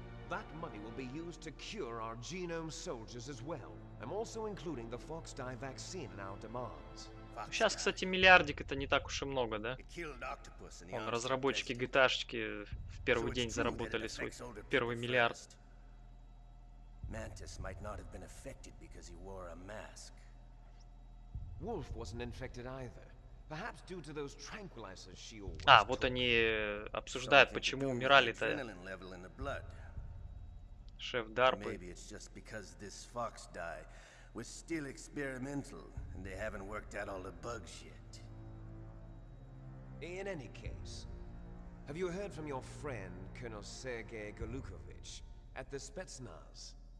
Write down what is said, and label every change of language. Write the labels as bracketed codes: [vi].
[en] That money will be used to cure our genome soldiers as well. I'm also including the Fox Dye vaccine in our demands. [ru] Сейчас, кстати, миллиардик это не так уж и много, да? Он разработчики GTA-шечки в первый день заработали свой первый миллиард. [en] Mantis might not have been affected because he wore a mask. Wolf wasn't infected either. Perhaps due to those tranquilizers she always took. [ru] А, вот они обсуждают, почему умирали-то. Шеф Дарпы. [en] Maybe it's just because this fox dye was still experimental and they haven't worked out all the bugs yet. In any case, have you heard from your friend Colonel Sergei Golukovich at the Spetsnaz?